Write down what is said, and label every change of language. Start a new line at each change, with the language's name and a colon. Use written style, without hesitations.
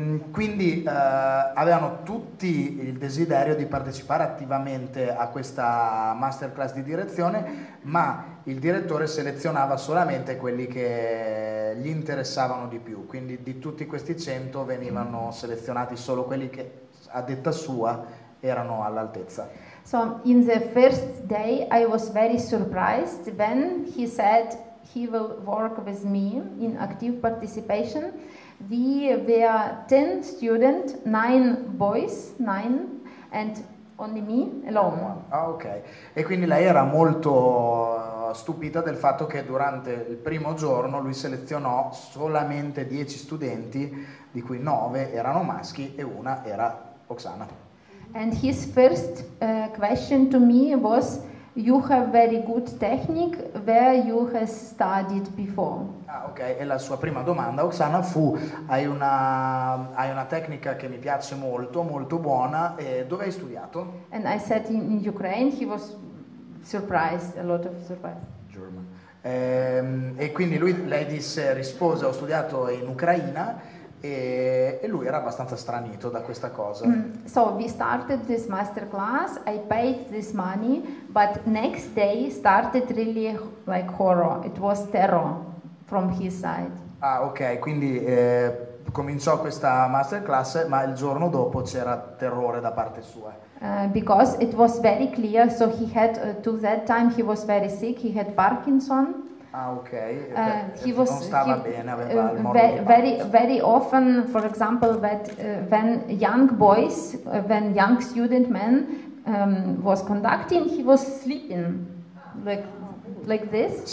Italian: Quindi avevano tutti il desiderio di partecipare attivamente a questa masterclass di direzione, ma il direttore selezionava solamente quelli che gli interessavano di più. Quindi di tutti questi 100 venivano selezionati solo quelli che, a detta sua, erano all'altezza.
English: So in the first day I was very surprised when he said he will work with me in active participation. We were 10 students, 9 boys, 9, and only me alone. Ah, okay.
Italian: E quindi lei era molto stupita del fatto che durante il primo giorno lui selezionò solamente 10 studenti, di cui 9 erano maschi e una era Oksana.
English: And his first question to me was, you have very good technique, where you have studied before? Ah, ok.
Italian: E la sua prima domanda, Oksana, fu: hai una tecnica che mi piace molto, molto buona, e dove hai studiato?
English: And I said in Ukraine. He was surprised, a lot of surprise. German.
Italian: E quindi lui, lei disse, rispose, ho studiato in Ucraina, e lui era abbastanza stranito da questa cosa.
English: So we started this masterclass, I paid this money, but next day started really like horror. It was terror from his side.
Italian: Ah, ok, quindi cominciò questa masterclass, ma il giorno dopo c'era terrore da parte sua.
English: Because it was very clear, so he had to that time he was very sick, he had Parkinson. Ah, ok. Very often, for example, that when young boys, when young student men was conducting, he was sleeping, like this.